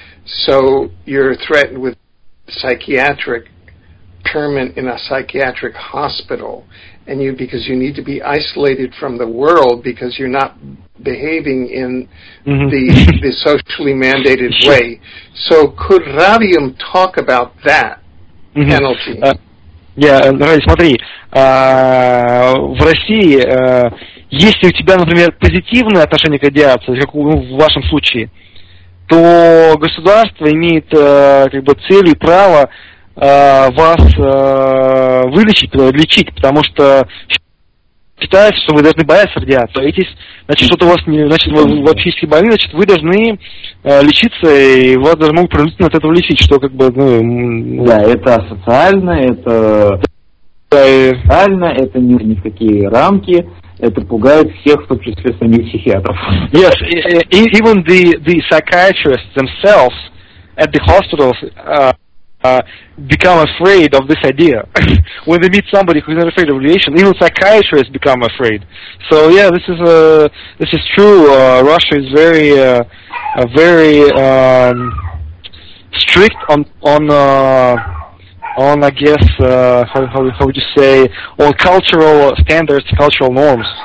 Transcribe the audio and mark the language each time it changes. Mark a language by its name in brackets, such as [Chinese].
[English] So you're threatened with psychiatric treatment in a psychiatric hospital, and because you need to be isolated from the world because you're not behaving in the socially mandated way. So could Radium talk about that penalty? [Russian] Смотри, в России, если у тебя, например, позитивное отношение к радиации, как в вашем случае, то государство имеет как бы цель и право вас лечить, потому что считается, что вы должны бояться радиации. Значит, что-то у вас не. Значит, вы вообще если больны, значит, вы должны лечиться, и вас даже могут принудительно от этого лечить, что как бы, ну. Да, это асоциально, это. Да, асоциально, это ни в какие рамки. Это пугает всех, в том числе самих психиатров. [English] Yes, even the psychiatrists themselves at the hospitals become afraid of this idea. When they meet somebody who's not afraid of radiation, even psychiatrists become afraid. So yeah, this is true. Russia is very very strict on I guess how would you say, on cultural standards, cultural norms.